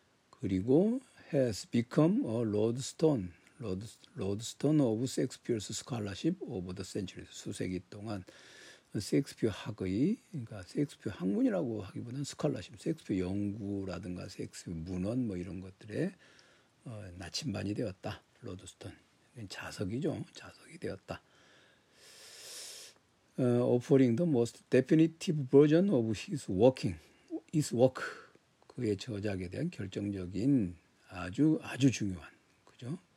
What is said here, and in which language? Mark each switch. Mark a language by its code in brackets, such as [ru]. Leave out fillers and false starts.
[en] 그리고 has become a lodestone, lodestone of Shakespeare's scholarship over the centuries. [ko] 수세기 동안 셰익스피어 학의, 그러니까 셰익스피어 학문이라고 하기보다는 스칼라십, 셰익스피어 연구라든가 셰익스피어 문헌 뭐 이런 것들의 나침반이 되었다. 로드스톤. 자석이죠. 자석이 되었다. [en] Offering the most definitive version of his work. [ko] 그의 저작에 대한 결정적인 아주 중요한 그죠?